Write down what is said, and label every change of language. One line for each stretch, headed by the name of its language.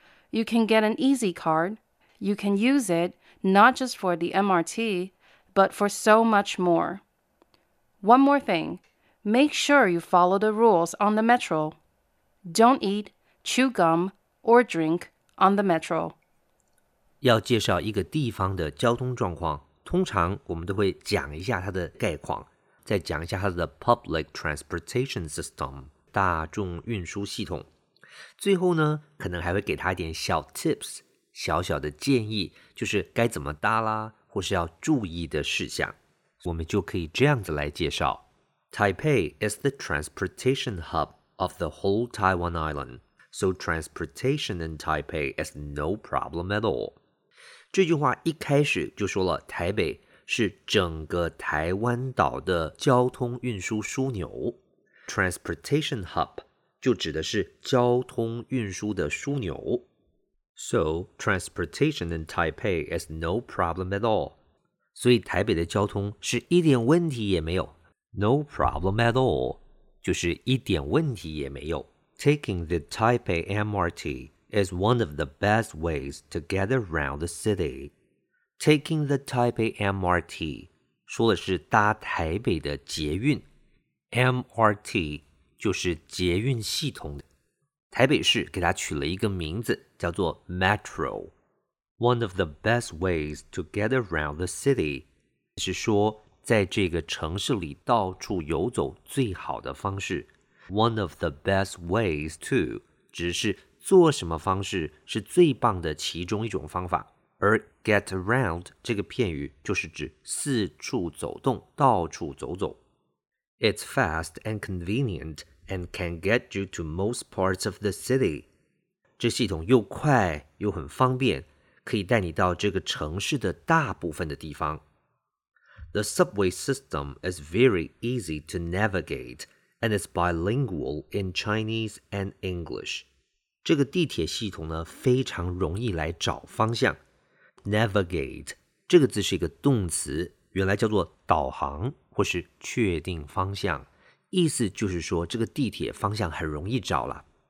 English: You can get an easy card. You can use it not just for the MRT, but for so much more. One more thing, make sure you follow the rules on the metro. Don't eat, chew gum, or drink on the metro.
Chinese: 要介绍一个地方的交通状况。通常我们都会讲一下它的概况，再讲一下它的 public transportation system 大众运输系统，最后呢可能还会给他一点小 tips 小小的建议，就是该怎么搭啦，或是要注意的事项。我们就可以这样子来介绍
English: Taipei is the transportation hub of the whole Taiwan island, so transportation in Taipei is no problem at all.
Chinese: 这句话一开始就说了台北是整个台湾岛的交通运输枢纽。 Transportation hub 就指的是交通运输的枢纽。
English: So, transportation in Taipei is no problem at all.
Chinese: 所以台北的交通是一点问题也没有。
English: No problem at all,
Chinese: 就是一点问题也没有。
English: Taking the Taipei MRT,is one of the best ways to get around the city. Taking the Taipei MRT,
Chinese: 说的是搭台北的捷运。 MRT 就是捷运系统。台北市给它取了一个名字叫做 Metro.
English: One of the best ways to get around the city,
Chinese: 是说在这个城市里到处游走最好的方式。
English: One of the best ways to,
Chinese: 只是做什么方式是最棒的其中一种方法，而 get around 这个片语就是指四处走动，到处走走。
English: It's fast and convenient and can get you to most parts of the city.
Chinese: 这系统又快又很方便，可以带你到这个城市的大部分的地方。
English: The subway system is very easy to navigate and is bilingual in Chinese and English.
Chinese: 这个地铁系统呢非常容易来找方向。 Navigate, 这个字是一个动词，原来叫做导航或是确定方向。意思就是说这个地铁方向很容易找了。